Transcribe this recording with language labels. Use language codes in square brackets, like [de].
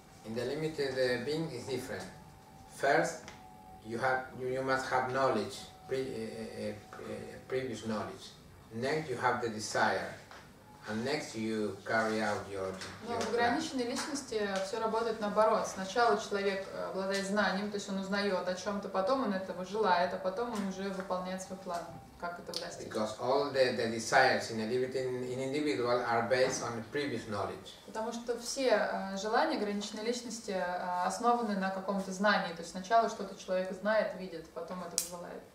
[en] In the limited being is different. First, you must have knowledge, previous knowledge. Next, you have the desire. And next you carry out your [ru] в ограниченной личности все работает наоборот. Сначала человек обладает знанием, то есть он узнает о чем-то, потом он этого желает, а потом он уже выполняет свой план, как это достичь. [en] Because all the desires in individual are based on previous knowledge. [ru] Потому что все желания ограниченной личности основаны на каком-то знании, то есть сначала что-то человек знает, видит, потом это желает.